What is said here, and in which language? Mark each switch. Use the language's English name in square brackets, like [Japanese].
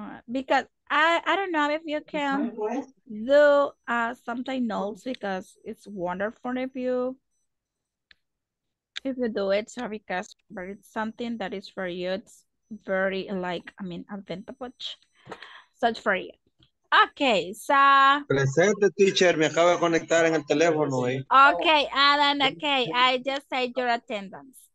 [English] Because I don't know if you can do something else, because it's wonderful if you do it, so because but it's something that is for you, it's very like, I mean, advantage, such for you. Okay, so [Spanish] presente teacher, me acaba de conectar en el teléfono. [English] Okay, Alan, okay, I just said your attendance.